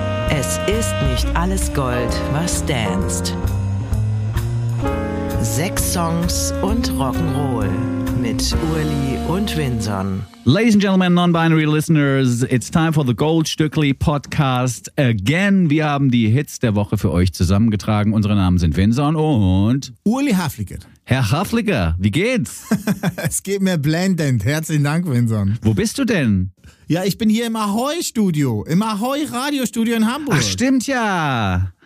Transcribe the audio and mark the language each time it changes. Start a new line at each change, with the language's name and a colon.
German: Es ist nicht alles Gold, was danst. Sechs Songs und Rock'n'Roll mit Uli und Vinson.
English: Ladies and gentlemen, non-binary listeners, it's time for the Goldstückli Podcast again.
German: Wir haben die Hits der Woche für euch zusammengetragen. Unsere Namen sind Vinson und Uli Haflinger. Herr Haflinger, wie geht's? Es geht mir blendend. Herzlichen Dank, Vinson. Wo bist du denn? Ja, ich bin hier im Ahoi-Studio, im Ahoi-Radio-Studio in Hamburg. Ach, stimmt ja.